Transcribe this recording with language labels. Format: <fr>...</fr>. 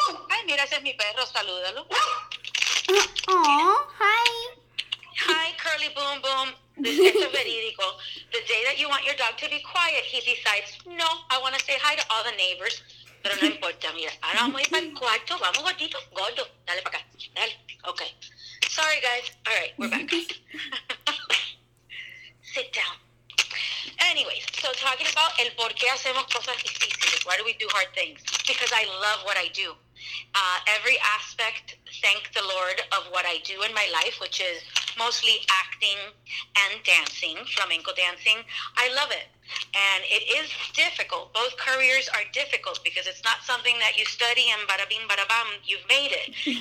<es>Hi, mira, ese es mi perro, salúdalo.</es> <en>Aw, hi. Hi, Curly Boom Boom. The day that you want your dog to be quiet, he decides, no, I want to say hi to all the neighbors.</en> <es>Pero no importa, mira. Ahora vamos a ir para el cuarto. Vamos, gordito. Gordo. Dale para acá. Dale. Okay.</es> <en>Sorry, guys. All right, we're back. Sit down. Anyways, so talking about</en> <es>el por qué hacemos cosas difíciles.</es> <en>Why do we do hard things? Because I love what I do. Every aspect, thank the Lord, of what I do in my life, which is mostly acting and dancing, flamenco dancing, I love it. And it is difficult. Both careers are difficult because it's not something that you study and bada bim, bada bam, you've made it.</en>